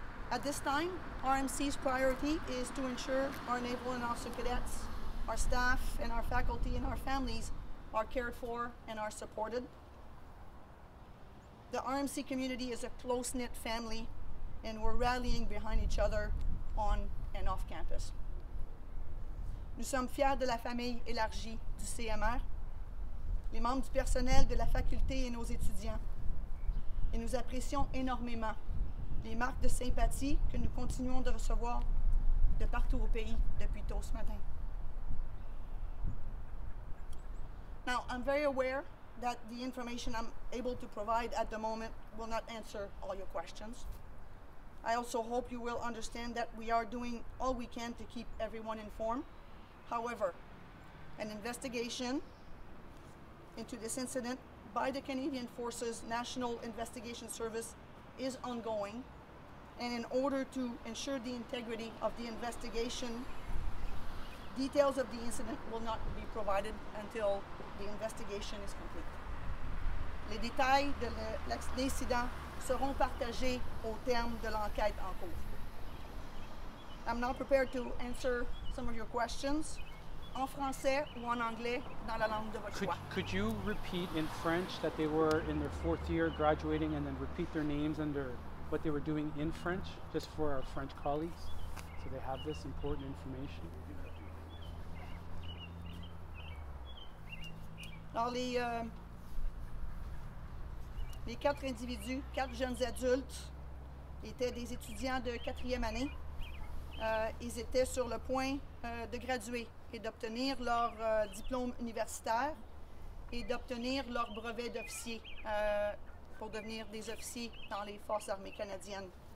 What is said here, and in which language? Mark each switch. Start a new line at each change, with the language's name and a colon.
English: At this time, RMC's priority is to ensure our naval and officer cadets, our staff, and our faculty, and our families are cared for and are supported. The RMC community is a close-knit family, and we're rallying behind each other on and off campus.
French: Nous sommes fiers de la famille élargie du CMR, les membres du personnel de la faculté et nos étudiants, et nous apprécions énormément les marques de sympathie que nous continuons de recevoir de partout au pays depuis tôt ce matin.
English: Now, I'm very aware that the information I'm able to provide at the moment will not answer all your questions. I also hope you will understand that we are doing all we can to keep everyone informed. However, an investigation into this incident by the Canadian Forces National Investigation Service is ongoing, and in order to ensure the integrity of the investigation, details of the incident will not be provided until the investigation is complete.
French: Les détails de l'incident seront partagés au terme de l'enquête en cours.
English: I'm now prepared to answer some of your questions
French: en français ou en anglais dans la langue de votre choix.
English: Could you repeat in French that they were in their fourth year graduating and then repeat their names and their, what they were doing in French just for our French colleagues so they have this important information?
French: Alors, les quatre individus, quatre jeunes adultes, étaient des étudiants de quatrième année ils étaient sur le point de graduer et d'obtenir leur diplôme universitaire et d'obtenir leur brevet d'officier pour devenir des officiers dans les forces armées canadiennes.